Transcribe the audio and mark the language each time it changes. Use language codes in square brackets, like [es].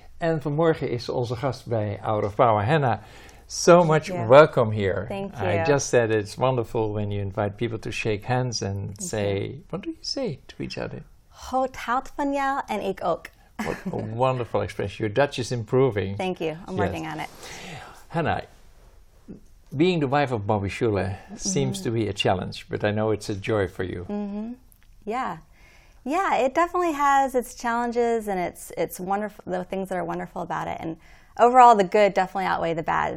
[nl] En vanmorgen is onze gast bij Out of Power, Hannah. [en] So much welcome here. Thank you. I just said it's wonderful when you invite people to shake hands and say, what do you say to each other? [nl] Hot houdt van jou en ik ook. [en] What a wonderful expression. Your Dutch is improving. Thank you. I'm working on it. Hannah, being the wife of Bobby Schuller seems to be a challenge, but I know it's a joy for you. Mm-hmm. Yeah. Yeah, it definitely has its challenges and it's wonderful, the things that are wonderful about it. And overall, the good definitely outweigh the bad.